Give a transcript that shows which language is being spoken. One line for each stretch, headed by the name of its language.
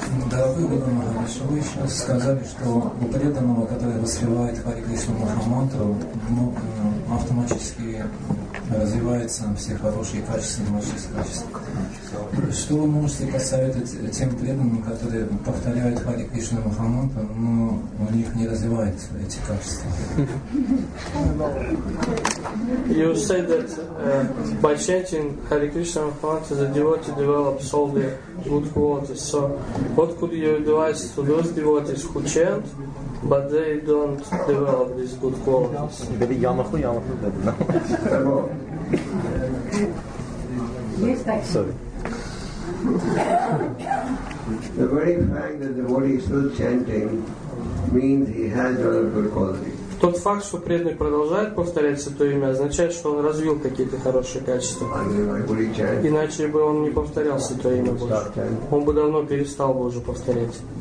Russian: Да, вы, Гуру Махарадж, вы сейчас сказали, что у преданного, который воспевает Хари Кришну Махамантру, автоматически развиваются все хорошие качества, мощность качества. Что вы можете посоветовать тем преданным, которые повторяют Хари Кришну Махамантру, но у них не развиваются эти качества?
English: You say that by chanting Hare Krishna Mahamantra, the devotee develops all the good qualities. So, what could you advise to those devotees who chant, but they don't develop these good qualities? Maybe Yamahu, Yamahu, but no. Sorry. The very fact that the devotee is still chanting means he has developed good qualities.
Russian: Тот факт, что преданный продолжает повторять святое имя, означает, что он развил какие-то хорошие качества. Иначе бы он не повторял святое имя больше. Он бы давно перестал бы уже повторять.